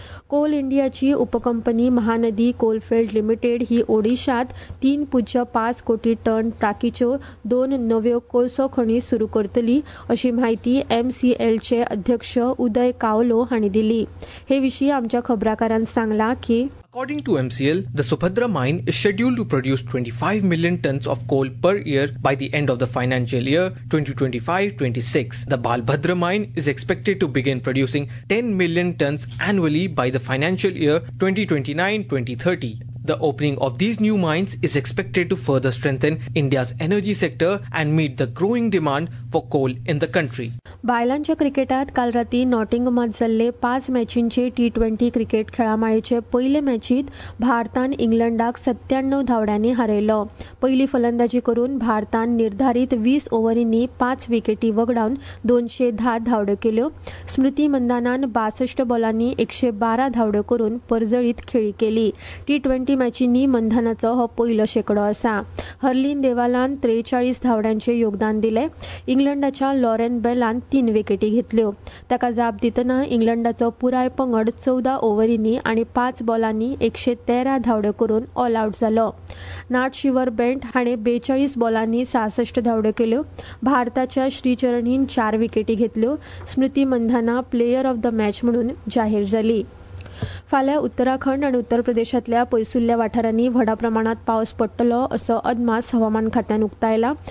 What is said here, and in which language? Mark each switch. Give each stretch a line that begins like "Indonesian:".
Goan Konkani: कोल इंडियाची उपकंपनी Mahanadi coalfield limited ही ओडिशात 3.5 कोटी ton टाकीच्यो 2 नव्यो कोळसो खणी सुरू करतली अशी माहिती MCLचे अध्यक्ष उदय कावलो हांनी दिली. हे विशी आमच्या खबराकारान सांगला की
English: According to MCL, the Subhadra mine is scheduled to produce 25 million tons of coal per year by the end of the financial year 2025-26. The Balbhadra mine is expected to begin producing 10 million tons annually by the financial year 2029-2030. The opening of these new mines is expected to further strengthen India's energy sector and meet the growing demand for coal in the country.
Goan Konkani: बायलांच्या क्रिकेटात काल राती नॉटिंगमात झाले 5 मॅचींचे T20 cricket खेळामाळेचे पहिले मॅचीत भारतान इंग्लंडाक 97 धावड्यांनी हरयलो. पहिली फलंदाजी करून भारतान निर्धारित 20 ओव्हरींनी 5 विकेटी वगडावून 210 धावड्यो केल्यो. स्मृती मंदानान 62 बॉलांनी 112 धावड्यो करून परजळीत खेळी केली. T20 मॅचींनी मंदानाचो हो पहिलो शेकडो असा. हरलीन देवालान 43 धावड्यांचे योगदान दिले. इंग्लंडाच्या लॉरेन बेलान 3 विकेटी घेतल्यो. ताका जाप दितना इंग्लंडाचो पुराय पंगड 14 ओव्हरींनी आणि 5 बॉलांनी 113 धावड्यो करून ऑल आऊट झालो. नाट शिवर बेंट हाणे 42 बॉलांनी 66 धावड्यो केल्यो. भारताच्या श्रीचरणीन 4 विकेटी घेतल्यो. Smriti Mandhana player of the match म्हणून जाहीर झाली. फाल्यां उत्तराखंड आनी उत्तर प्रदेशांतल्या पयसुल्ल्या वाठारांनी व्हडा प्रमाणांत पावस पडटलो असो अदमास हवामान खात्यान उक्तायला.